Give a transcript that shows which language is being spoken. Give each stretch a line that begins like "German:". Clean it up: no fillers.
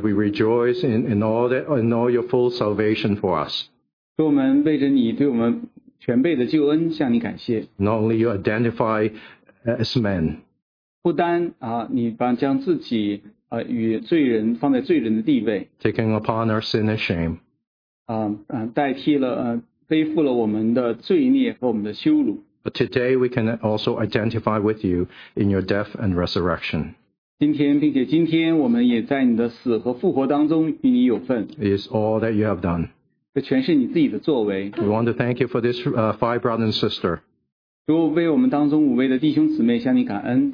English: we rejoice in all your full salvation for us.
Chinese: 主，我们为着你对我们全辈的救恩，向你感谢。
English: Not only you identify as men.
Chinese: 不单你把将自己与罪人放在罪人的地位。
English: Taking upon our sin and shame.
Chinese: 代替了，背负了我们的罪孽和我们的羞辱。
English: But today we can also identify with you in your death and resurrection.
Chinese: 今天，并且今天，我们也在你的死和复活当中与你有份。
English: It is all that you have done.
Chinese: 这全是你自己的作为。
English: We want to thank you for this five brothers and sisters.
Chinese: 主，为我们当中五位的弟兄姊妹向你感恩。